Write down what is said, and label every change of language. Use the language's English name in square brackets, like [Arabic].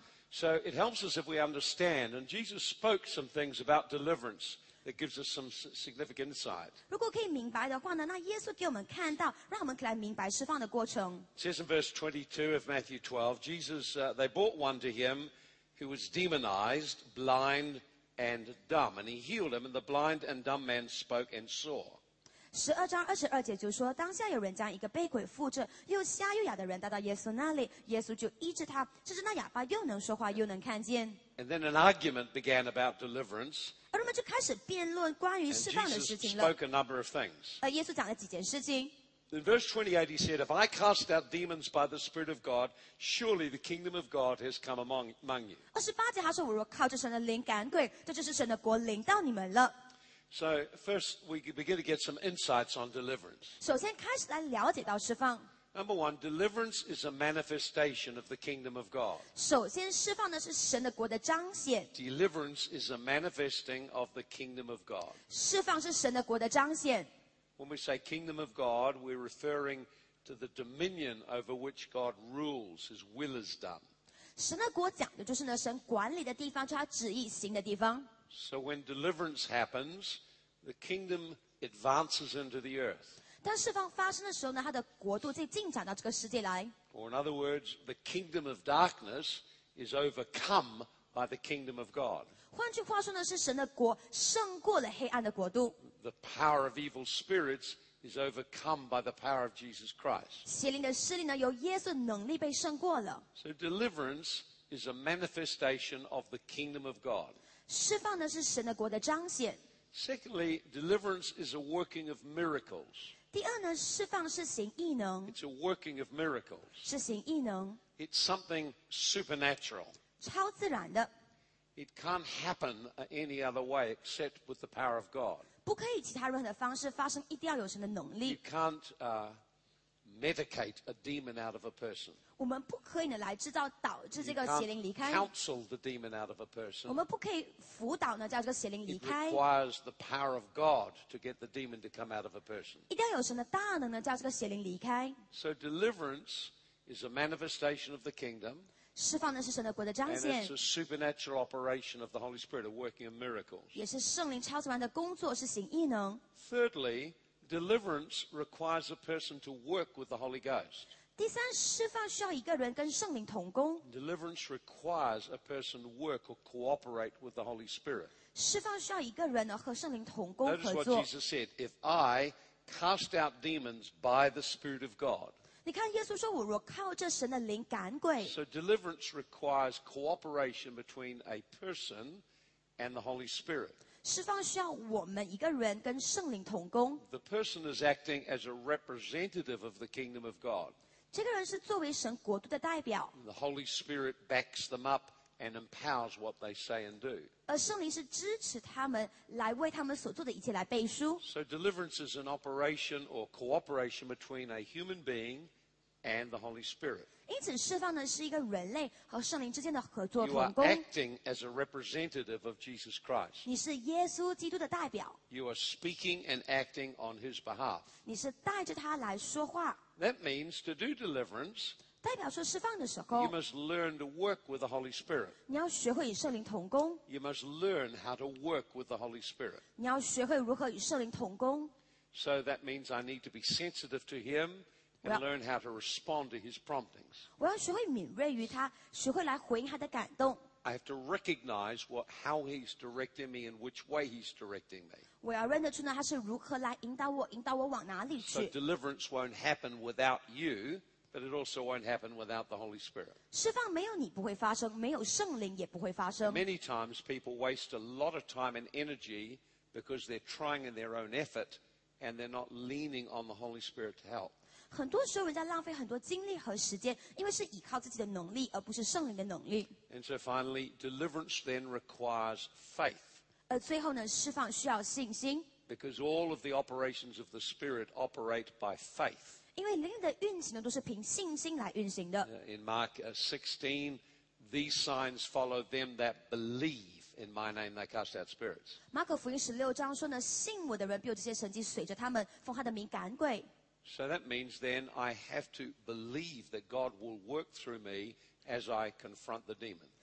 [English] So it helps us if we understand. And Jesus spoke some things about deliverance that gives us some significant insight. [Chinese] 如果可以明白的话呢，那耶稣给我们看到，让我们来明白释放的过程。 [English] It says in verse 22 of Matthew 12, Jesus, they brought one to him who was demonized, blind and dumb, and he healed him, and the blind and dumb man spoke and saw. [Chinese] 十二章二十二节就说，当下有人将一个被鬼附着、又瞎又哑的人带到耶稣那里，耶稣就医治他，使那哑巴又能说话，又能看见。 [English] And then an argument began about deliverance. [Chinese] 而他们就开始辩论关于释放的事情了。 [English] Spoke a number of things. [Chinese] 耶稣讲了几件事情。 [English] In verse 28, he said, "If I cast out demons by the Spirit of God, surely the kingdom of God has come among you." [Chinese] 二十八节他说，我若靠着神的灵赶鬼，这就是神的国临到你们了。 [English] So first, we begin to get some insights on deliverance. [Chinese] 首先开始来了解到释放。 [English] Number one, deliverance is a manifestation of the kingdom of God. [Chinese] 首先释放的是神的国的彰显。 [English] Deliverance is a manifesting of the kingdom of God. [Chinese] 释放是神的国的彰显。 [English] When we say kingdom of God, we're referring to the dominion over which God rules, His will is done. [Chinese] 神的国讲的就是呢神管理的地方，就是他旨意行的地方。 [English] So when deliverance happens, the kingdom advances into the earth. [Chinese] 当释放发生的时候呢，它的国度就进展到这个世界来。 [English] Or in other words, the kingdom of darkness is overcome by the kingdom of God. [Chinese] 换句话说呢，是神的国胜过了黑暗的国度。 [English] The power of evil spirits is overcome by the power of Jesus Christ. [Chinese] 邪灵的势力呢，由耶稣能力被胜过了。 [English] So deliverance is a manifestation of the kingdom of God. [Chinese] 释放的是神的国的彰显。 [English] Secondly, deliverance is a working of miracles. [Chinese] 第二呢，释放是行异能。 [English] It's a working of miracles. [Chinese] 是行异能。 [English] It's something supernatural. [Chinese] 超自然的。 [English] It can't happen any other way except with the power of God. [Chinese] 不可以其他任何的方式发生，一定要有神的能力。 [English] You can't, medicate a demon out of a person. [Chinese] 我们不可以呢来制造导致这个邪灵离开。 [English] You can't counsel the demon out of a person. [Chinese] 我们不可以辅导呢叫这个邪灵离开。 [English] It requires the power of God to get the demon to come out of a person. [Chinese] 一定要有神的大能呢叫这个邪灵离开。 [English] So deliverance is a manifestation of the kingdom. [Chinese] 释放的是神的国的彰显。 [English] And it's a supernatural operation of the Holy Spirit, a working of miracles. [Chinese] 也是圣灵超自然的工作，是行异能。 [English] Thirdly, deliverance requires a person to work with the Holy Ghost. [Chinese] 第三，释放需要一个人跟圣灵同工。 [English] Deliverance requires a person to work or cooperate with the Holy Spirit. [Chinese] 释放需要一个人呢和圣灵同工合作。 [English] Notice what Jesus said: If I cast out demons by the Spirit of God. [Chinese] 你看耶稣说，我若靠着神的灵赶鬼。 [English] So deliverance requires cooperation between a person and the Holy Spirit. [Chinese] 释放需要我们一个人跟圣灵同工。 [English] The person is acting as a representative of the kingdom of God. [Chinese] 这个人是作为神国度的代表。 [English] The Holy Spirit backs them up and empowers what they say and do. [Chinese] 而圣灵是支持他们来为他们所做的一切来背书。 [English] So deliverance is an operation or cooperation between a human being and the Holy Spirit. [Chinese] 因此释放呢是一个人类和圣灵之间的合作同工。 [English] You are acting as a representative of Jesus Christ. [Chinese] 你是耶稣基督的代表。 [English] You are speaking and acting on his behalf. [Chinese] 你是带着他来说话。 [English] That means to do deliverance, [Chinese] 代表说释放的时候 [English] you must learn to work with the Holy Spirit. [Chinese] 你要学会与圣灵同工 [English] you must learn how to work with the Holy Spirit. [Chinese] 你要学会如何与圣灵同工 [English] So that means I need to be sensitive to Him and learn how to respond to His promptings. [Chinese] 我要学会敏锐于他，学会来回应他的感动。 [English] I have to recognize how he's directing me and which way he's directing me. [Chinese] 我要认得出呢，他是如何来引导我，引导我往哪里去。 [English] So deliverance won't happen without you, but it also won't happen without the Holy Spirit. [Chinese] 释放没有你不会发生，没有圣灵也不会发生。 [English] Many times people waste a lot of time and energy because they're trying in their own effort and they're not leaning on the Holy Spirit to help. [Chinese] 很多时候人家浪费很多精力和时间因为是依靠自己的能力而不是圣灵的能力 [English] And so finally, deliverance then requires faith. [Chinese] 而最后呢释放需要信心 [English] Because all of the operations of the Spirit operate by faith. [Chinese] 因为灵的运行呢都是凭信心来运行的 [English] In Mark 16, these signs follow them that believe in my name they cast out spirits. [Chinese] 马可福音十六章说呢信我的人必有这些神迹随着他们奉他的名赶鬼 [English] So that means then I have to believe that God will work through me as I confront the demon.